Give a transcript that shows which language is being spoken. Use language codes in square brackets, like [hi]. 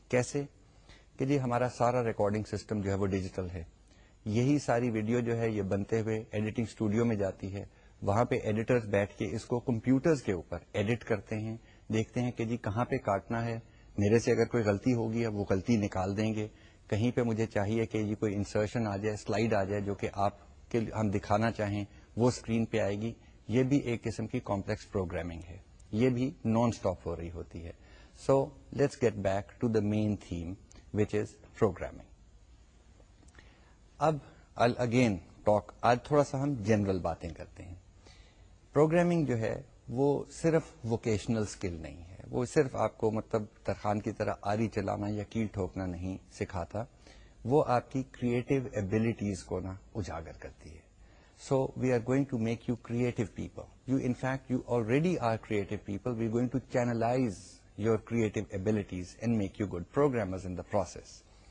[ur] کیسے؟ کہ جی ہمارا سارا ریکارڈنگ سسٹم جو ہے وہ ڈیجیٹل ہے, یہی ساری ویڈیو جو ہے یہ بنتے ہوئے ایڈیٹنگ اسٹوڈیو میں جاتی ہے, وہاں پہ ایڈیٹرز بیٹھ کے اس کو کمپیوٹرز کے اوپر ایڈٹ کرتے ہیں, دیکھتے ہیں کہ جی کہاں پہ کاٹنا ہے, میرے سے اگر کوئی غلطی ہوگی وہ غلطی نکال دیں گے, کہیں پہ مجھے چاہیے کہ جی کوئی انسرشن آ جائے, سلائیڈ آ جائے جو کہ آپ کے ہم دکھانا چاہیں وہ اسکرین پہ آئے گی. یہ بھی ایک قسم کی کمپلیکس پروگرامنگ ہے, یہ بھی نان اسٹاپ ہو رہی ہوتی ہے. [en] So let's get back to the main theme which is programming. اب I'll again talk, [ur] آج تھوڑا سا ہم جنرل باتیں کرتے ہیں. پروگرامنگ جو ہے وہ صرف ووکیشنل اسکل نہیں ہے, وہ صرف آپ کو مطلب ترخان کی طرح آری چلانا یا کیل ٹھوکنا نہیں سکھاتا, وہ آپ کی کریٹو ابلیٹیز کو نا اجاگر کرتی ہے. [en] So we are going to make you creative people. You, in fact, you already are creative people. We are going to channelize your creative abilities and make you good programmers in the process.